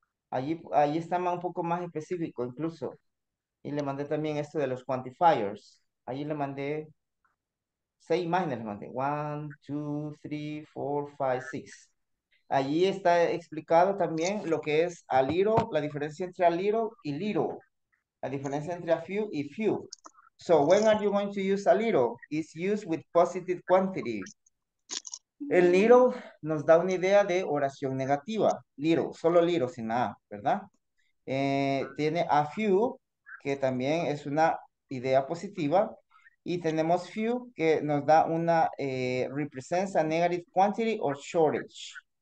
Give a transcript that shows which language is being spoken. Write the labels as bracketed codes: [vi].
[es] Allí está más, un poco más específico incluso. Y le mandé también esto de los quantifiers. Allí le mandé 6 imágenes. Le mandé 1, 2, 3, 4, 5, 6. Allí está explicado también lo que es a little, la diferencia entre a little y little. La diferencia entre a few y few. [en] So, when are you going to use a little? It's used with positive quantity. [es] El little nos da una idea de oración negativa. Little, solo little, sin nada, ¿verdad? Tiene a few, que también es una idea positiva. Y tenemos few, que nos da una, [en] represents a negative quantity or shortage.